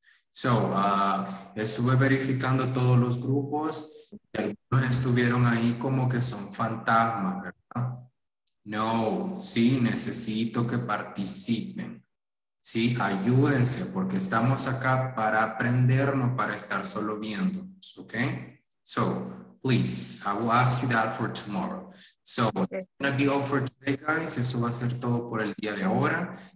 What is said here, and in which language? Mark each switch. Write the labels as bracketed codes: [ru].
[es] So, estuve verificando todos los grupos. Algunos estuvieron ahí como que son fantasmas, ¿verdad? No, sí, necesito que participen. Sí, ayúdense porque estamos acá para aprender, no para estar solo viendo, ¿ok? [en] So, please, I will ask you that for tomorrow. So, that's going to be all for today, guys. [es] Eso va a ser todo por el día de ahora.